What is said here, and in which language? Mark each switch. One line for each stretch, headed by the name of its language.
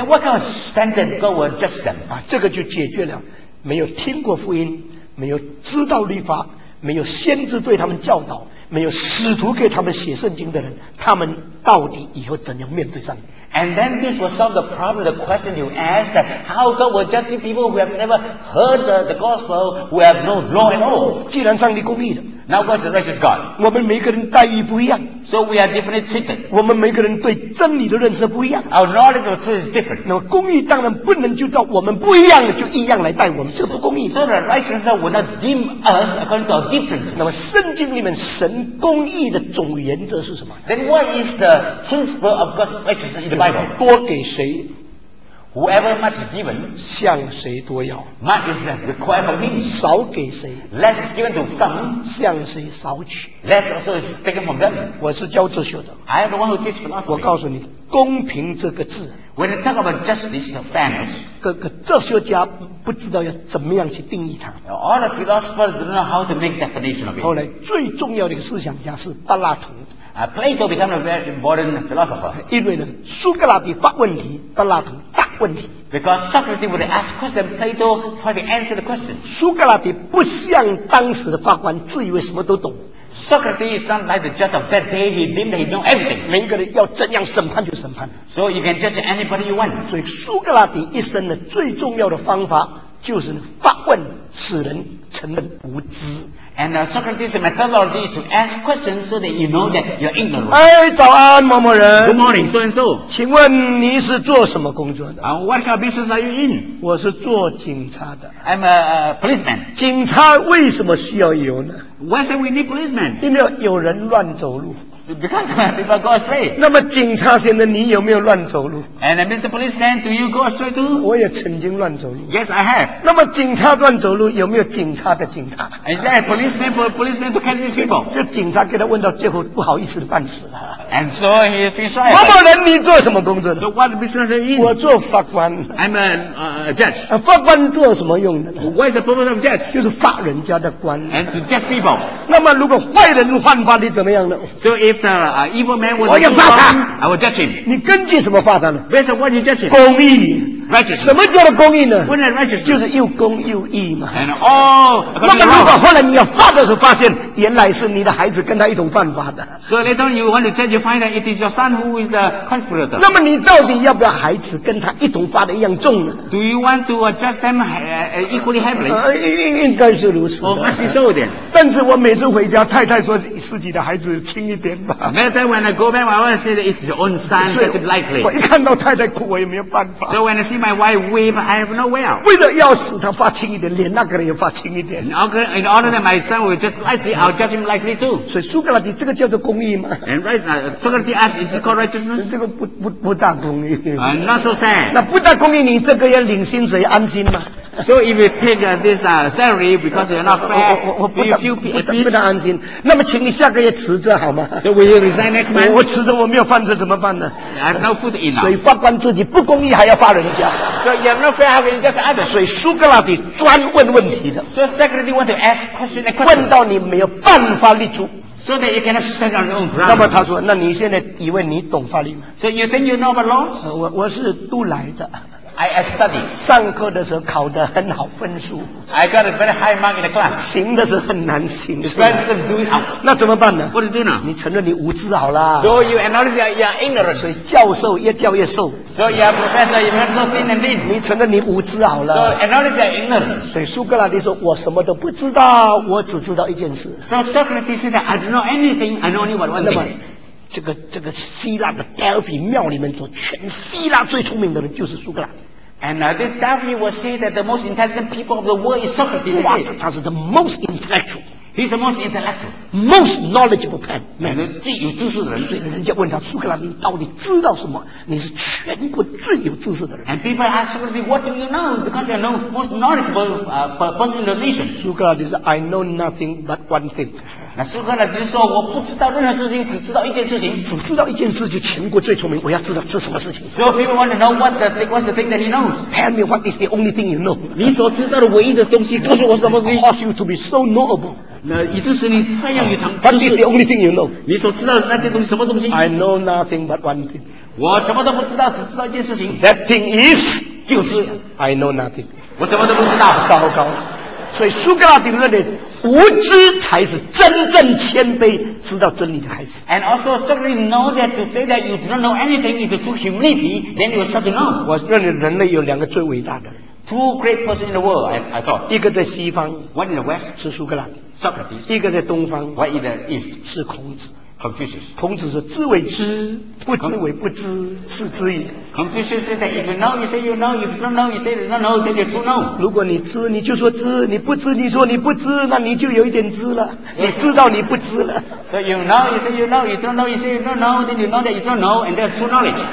English: Then what kind of standard God will judge them?
Chinese: 啊，这个就解决了，没有听过福音，没有知道律法，没有先知对他们教导，没有使徒给他们写圣经的人，他们到底以后怎样面对上帝？
English: And then this will solve the problem, the question you asked, that how God will judge people who have never heard the gospel, who have no law at all.
Chinese: 既然上帝公义的，
English: Now God is the righteous God.
Chinese: 我们每个人待遇不一样。
English: So we are differently treated.
Chinese: 我们每个人对真理的认识不一样。
English: Our knowledge of truth is different.
Chinese: 那么公义当然不能就照我们不一样的就一样来待我们，这不公义。
English: So the righteousness will not deem us according to our difference.
Chinese: 那么圣经里面神公义的总原则是什么？
English: Then what is the principle of God's righteousness in the Bible?
Chinese: 多给谁？
English: Whoever much is given,
Chinese: 向谁多要？
English: Much is required from him.
Chinese: 少给谁？
English: Less is given to some.
Chinese: 向谁少取？
English: Less also is taken from them.
Chinese: 我是教哲学的。
English: I am the one who teaches philosophy.
Chinese: 我告诉你，公平这个字。
English: When you talk about justice and fairness,
Chinese: 可哲学家不知道要怎么样去定义它。
English: All the philosophers don't know how to make definition of it.
Chinese: 后来最重要的一个思想家是柏拉图。
English: Plato became a very important philosopher.
Chinese: 因为呢，苏格拉底发问题，柏拉图答问题。
English: Because Socrates would ask question, Plato tried to answer the question.
Chinese: 苏格拉底不像当时的法官，自以为什么都懂。
English: Socrates is not like the judge of that day. He deemed he knew everything.
Chinese: 每个人要怎样审判就审判。
English: So you can judge anybody you want.
Chinese: 所以苏格拉底一生的最重要的方法就是发问，使人承认无知。
English: And Socrates' methodology is to ask questions so that you know that you're ignorant.
Chinese: 哎，早安，某某人。
English: Good morning, so and so.
Chinese: 请问你是做什么工作的？
English: What kind of business are you in?
Chinese: 我是做警察的。
English: I'm a policeman.
Chinese: 警察为什么需要油呢？
English: Why do we need policemen?
Chinese: 因为有人乱走路。
English: Because people go astray.
Chinese: 那么警察先生，你有没有乱走路？
English: And Mr. Policeman, do you go astray too?
Chinese: 我也曾经乱走路。
English: Yes, I have.
Chinese: 那么警察乱走路，有没有警察的警察？
English: Is that policeman for policeman to catch these people?
Chinese: 这警察给他问到最后，不好意思的半死了。
English: And so he feels sorry.
Chinese: 某某人，你做什么工作的？
English: So what business are you in?
Chinese: 我做法官。
English: I'm a judge.
Chinese: 法官做什么用的？
English: What is the purpose of judge?
Chinese: 就是法人家的官。
English: And to judge people.
Chinese: 那么如果坏人犯法，你怎么样呢？
English: So if the evil man will judge him.
Chinese: 你根据什么罚他呢？
English: Based on what you judge him?
Chinese: 公义。
English: Righteousness.
Chinese: 什么叫做公义呢？
English: What is righteousness?
Chinese: 就是又公又义嘛。
English: And all.
Chinese: 那么如果后来你要罚的时候，发现原来是你的孩子跟他一同犯法的。
English: So later on you want to judge, you find that it is your son who is a conspirator.
Chinese: 那么你到底要不要孩子跟他一同罚的一样重呢？
English: Do you want to judge them equally heavily?
Chinese: 应该是如此。
English: Or must be so then.
Chinese: 但是我每次回家，太太说自己的孩子轻一点吧。
English: Many times when I go back, I want to say that it's your own son, that it's likely.
Chinese: 我一看到太太哭，我也没有办法。
English: So when I see my wife weep, I have no way out.
Chinese: 为了要使他发轻一点，连那个人也发轻一点。
English: In order that my son will just likely, I'll judge him likely too.
Chinese: 所以苏格拉底这个叫做公义吗？
English: And right, Socrates asked, is it called righteousness?
Chinese: 这个不大公义。
English: Not so sad.
Chinese: 那不大公义，你这个要领薪水安心吗？
English: So if you take this salary because you're not fair, do you feel peace?
Chinese: 不能安心。那么请你下个月辞职好吗？
English: So will you resign next month?
Chinese: 我辞职我没有饭吃怎么办呢？
English: I have no food enough.
Chinese: 所以法官自己不公义还要罚人家。
English: So you have no fair, how can you just others?
Chinese: 所以苏格拉底专问问题的。
English: So Socrates want to ask question and question.
Chinese: 问到你没有办法立足。
English: So that you cannot stand on your own ground.
Chinese: 那么他说，那你现在以为你懂法律吗？
English: So you think you know about law?
Chinese: 我是读来的。
English: I study.
Chinese: 上课的时候考得很好分数。
English: I got a very high mark in the class.
Chinese: 行的时候很难行。
English: It's better than doing out.
Chinese: 那怎么办呢？
English: What to do now?
Chinese: 你承认你无知好啦。
English: So you acknowledge that you are ignorant.
Chinese: 所以教授越教越瘦。
English: So you are professor, you are so thin and lean.
Chinese: 你承认你无知好了。
English: So acknowledge that you are ignorant.
Chinese: 所以苏格拉底说，我什么都不知道，我只知道一件事。
English: So Socrates said, I don't know anything, I know only what one thing.
Chinese: 这个希腊的 Delphi 庙里面说，全希腊最聪明的人就是苏格拉底。
English: And this Delphi will say that the most intelligent people of the world is Socrates.
Chinese: 哇，他是
English: the most intellectual. He's the most intellectual. Most knowledgeable man.
Chinese: 最有知识的人。所以人家问他，苏格拉底到底知道什么？你是全国最有知识的人。
English: And people ask Socrates, what do you know? Because you're the most knowledgeable person in the nation.
Chinese: 苏格拉底说，
English: I know nothing but one thing.
Chinese: 那苏格拉底说，我不知道任何事情，只知道一件事情。只知道一件事就全国最聪明，我要知道是什么事情。
English: So people want to know what's the thing that he knows. Tell me what is the only thing you know.
Chinese: 你所知道的唯一的东西告诉我什么东西。
English: Cause you to be so knowable.
Chinese: 那以致使你这样一场。
English: What is the only thing you know.
Chinese: 你所知道的那些东西什么东西。
English: I know nothing but one thing.
Chinese: 我什么都不知道，只知道一件事情。
English: That thing is.
Chinese: 就是。
English: I know nothing.
Chinese: 我什么都不知道。糟糕。所以苏格拉底认为，无知才是真正谦卑、知道真理的孩子。
English: And also, certainly know that to say that you do not know anything is a true humility, then you start to know.
Chinese: 我认为人类有两个最伟大的
English: two great persons in the world, I thought.
Chinese: 一个在西方
English: ，one in the west,
Chinese: 是苏格拉底
English: ；Socrates.
Chinese: 一个在东方
English: ，one in the east,
Chinese: 是孔子。
English: Confucius.
Chinese: 孔子说，知为知，不知为不知，是知也。
English: Confucius said that if you know, you say you know, if you don't know, you say you don't know, then you don't know.
Chinese: 如果你知，你就说知，你不知，你说你不知，那你就有一点知了。你知道你不知了。
English: So you know, you say you know, you don't know, you say you don't know, then you know that you don't know, and that's true knowledge.